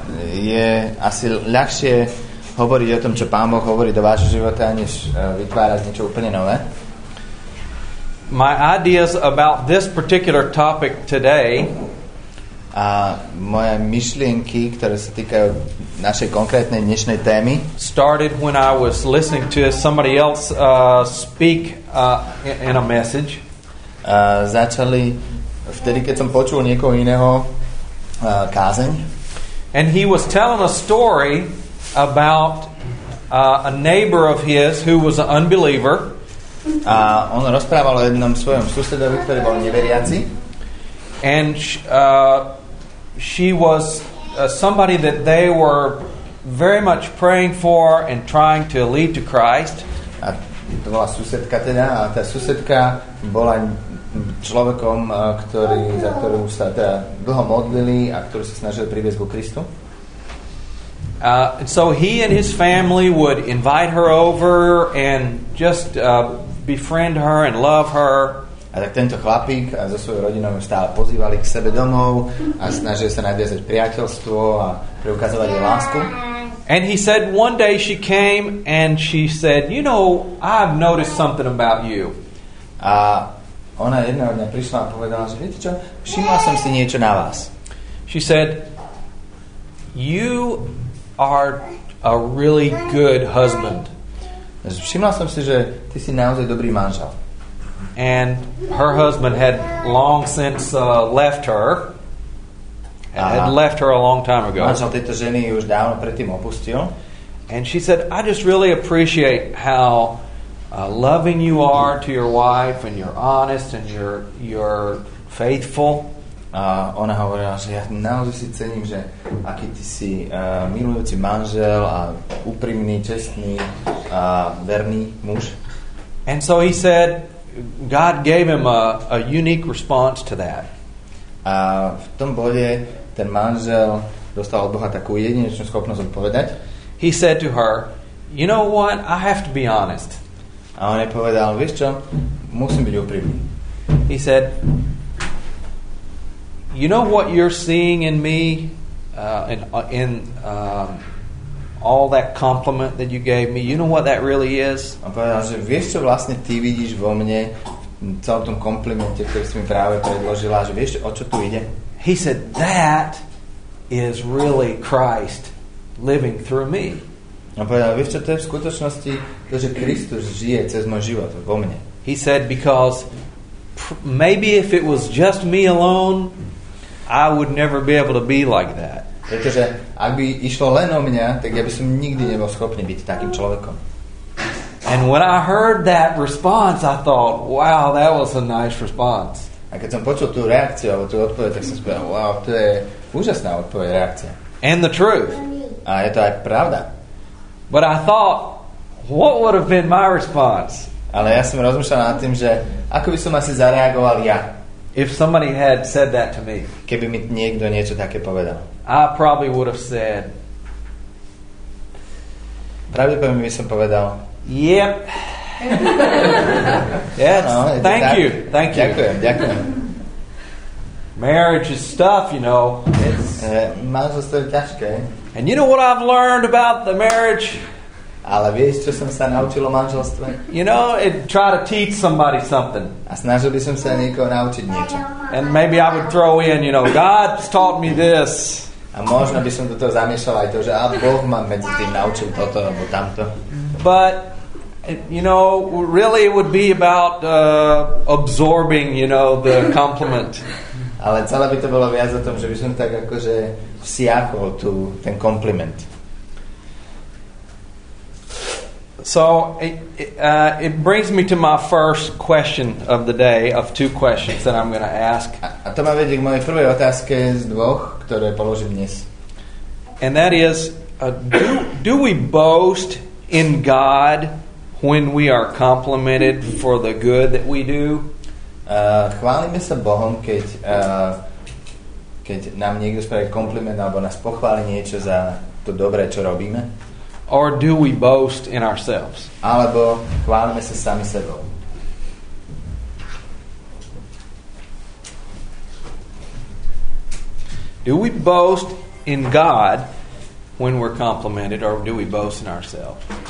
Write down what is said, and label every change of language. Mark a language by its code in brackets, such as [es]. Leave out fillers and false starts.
[sk] Je asi ľahšie hovoriť o tom, čo Pán Boh hovorí do vášho života, než vytvárať niečo úplne nové. [en] My ideas about this particular topic today. [sk] A moje myšlienky, ktoré sa týkajú našej konkrétnej dnešnej témy, [en] started when I was listening to somebody else speak in a message. [sk] Začali vtedy, keď som počul niekoho iného kázeň. [en] And he was telling a story about a neighbor of his who was an unbeliever. [sk] A on rozprával o jednom svojom susedovi, ktorý bol neveriaci. [en] And she was somebody that they were very much praying for and trying to lead to Christ. [sk] A to bola susedka teda, a tá susedka bola človekom, za ktorú sa teda dlho modlili a ktorú sa snažili priviesť ku Kristu. [en] So he and his family would invite her over and just befriend her and love her. [sk] A tak tento chlapík a so svojou rodinou stále pozývali k sebe domov a snažili sa nadviazať priateľstvo a preukazovať jej lásku. [en] And he said one day she came and she said, you know, I've noticed something about you. [sk] A ona jedného dňa prišla a povedala, že viete čo, všimla som si niečo na vás. [en] She said, you are a really good husband. [sk] Všimla som si, že ty si naozaj dobrý manžel. [en] And her husband had long since left her. Had left her a long time ago. [sk] Manžel tejto ženy už dávno predtým opustil. [en] And she said, I just really appreciate how loving you are to your wife and you're honest and you're faithful. [sk] Ona hovorila, že ja naozaj si cením, že aký ty si milujúci manžel a úprimný, čestný a verný muž. [en] And so he said, God gave him a unique response to that. [sk] A v tom bode ten manžel dostal od Boha takú jedinečnú schopnosť odpovedať. [en] He said to her, you know what, I have to be honest. [sk] A on jej povedal, vieš čo, musím byť úprimný. [en] He said, you know what you're seeing in me, all that compliment that you gave me, you know what that really is? [sk] A povedal, že vieš, čo vlastne ty vidíš vo mne, celom tom komplimente, ktorý si mi práve predložila, že vieš, o čo tu ide? [en] He said, that is really Christ living through me. [sk] A povedal, vieš, čo to je v skutočnosti, to, že Kristus žije cez môj život vo mne. [en] He said, because maybe if it was just me alone, I would never be able to be like that. [sk] Pretože ak by išlo len o mňa, tak ja by som nikdy nebol schopný byť takým človekom. [en] And when I heard that response, I thought, wow, that was a nice response. [sk] A keď som počul tú reakciu, alebo tú odpoveď, tak som spomenul, wow, to je úžasná odpoveď, reakcia. [en] And the truth. [sk] A je to aj pravda. [en] But I thought, what would have been my response? [sk] Ale ja som rozmýšľal nad tým, že ako by som asi zareagoval ja. [en] If somebody had said that to me. [sk] Keby mi niekto niečo také povedal. [en] I probably would have said. Pravdepodobne by som povedal. Yep. Yes. No, thank you. Thank you. [sk] Ďakujem, ďakujem. [en] Marriage is tough, you know. [sk] Manželstvo je ťažké. [en] And you know what I've learned about the marriage? [sk] Ale vieš, čo som sa naučil o manželstve? [en] You know, it try to teach somebody something. [sk] A snažil by som sa niekoho naučiť niečo. [en] And maybe I would throw in, you know, God's taught me this. [sk] A možno by som toto zamiešal aj to, že a Boh ma medzi tým naučil toto alebo tamto. [en] But, you know, really it would be about absorbing, you know, the compliment. [sk] Ale celé by to bolo viac o tom, že by som tak akože siakol ten kompliment. [en] So it brings me to my first question of the day, of two questions that I'm going to ask. [sk] A to ma vedie k mojej prvej otázke z dvoch, ktoré položím dnes. [en] And that is, do we boast in God when we are complimented for the good that we do? [sk] Chválime sa Bohom, keď nám niekto spraví kompliment alebo nás pochváli niečo za to dobré, čo robíme? [en] Or do we boast in ourselves? [sk] Alebo chválime sa sami sebou. [en] Do we boast in God when we're complimented, or do we boast in ourselves?